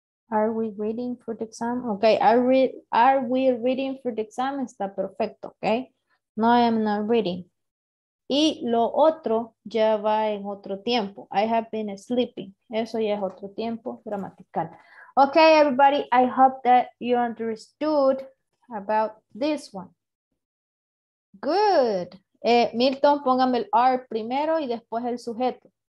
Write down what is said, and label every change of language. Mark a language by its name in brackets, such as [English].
[English] Are we reading for the exam? Okay, are we reading for the exam? [Spanish] Está perfecto, [English] okay? No, I am not reading. [Spanish] Y lo otro ya va en otro tiempo. [English] I have been sleeping. [Spanish] Eso ya es otro tiempo gramatical. [English] Okay, everybody, I hope that you understood about this one. Good. [Spanish] Milton, póngame el R primero y después el sujeto.